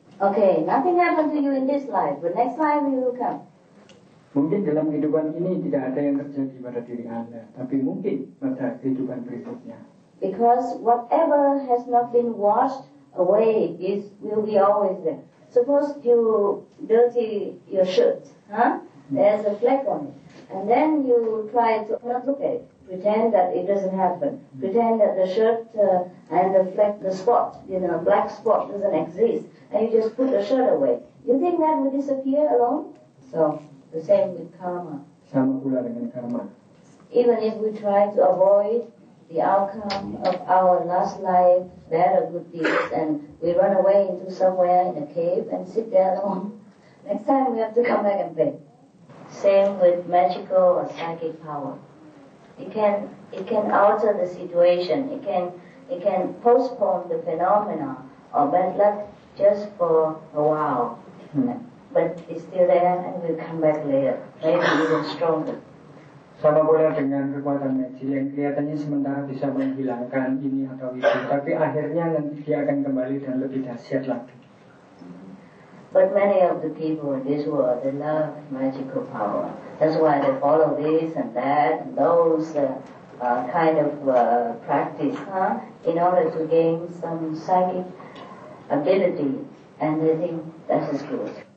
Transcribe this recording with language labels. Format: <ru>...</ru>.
<en>Okay, nothing happened to you in this life, but next time you will come.</en> <id>Mungkin dalam kehidupan ini tidak ada yang terjadi pada diri Anda, tapi mungkin pada kehidupan berikutnya.</id> <en>Because whatever has not been washed away is will be always there. Suppose you dirty your shirt, there's a fleck on it, and then you try to not look at it, pretend that it doesn't happen, pretend that the shirt and the fleck, the spot, you know, black spot doesn't exist, and you just put the shirt away. You think that will disappear alone? So the same with karma.</en> <id>Sama pula dengan karma.</id> <en>Even if we try to avoid the outcome of our last life, bad or good deeds, and we run away into somewhere in a cave and sit there alone, next time we have to come back and pay. Same with magical or psychic power. It can alter the situation. It can postpone the phenomena of bad luck just for a while. But it's still there and will come back later, maybe even stronger.</en> <id>Sama pula dengan kekuatan magic yang kelihatannya sementara bisa menghilangkan ini atau itu, tapi akhirnya nanti dia akan kembali dan lebih dahsyat lagi.</id> <en>But many of the people in this world, they love magical power. That's why they follow this and that, and those kind of practice, in order to gain some psychic ability, and they think that is good.</en>